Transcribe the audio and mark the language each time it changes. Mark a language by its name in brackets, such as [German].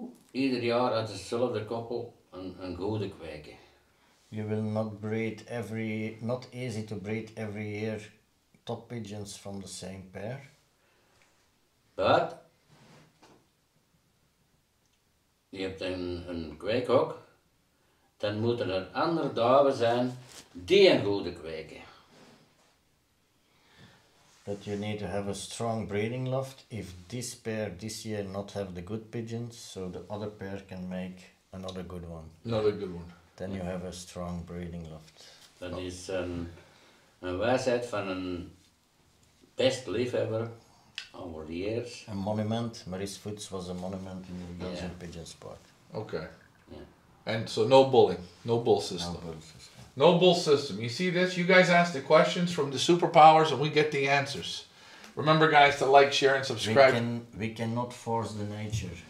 [Dutch] Ieder jaar uit dezelfde koppel een goede kweken. [English] You will not breed every, not easy to breed every year top pigeons from the same pair. [Dutch] But je hebt een kweekhok, dan moeten er andere duiven zijn die een goede kweken. [English] But you need to have a strong breeding loft. If this pair this year not have the good pigeons, so the other pair can make another good one. Another good one. Then you have a strong breeding loft. That is [Dutch] een wijsheid van een best liefhebber [English] over the years. A monument. Maurice Foots was a monument in the Belgian pigeon sport. Okay. Yeah. And so no bullying, no bull system. No bull system. No bull system. You see this? You guys ask the questions from the superpowers and we get the answers. Remember, guys, to like, share, and subscribe. We cannot force the nature.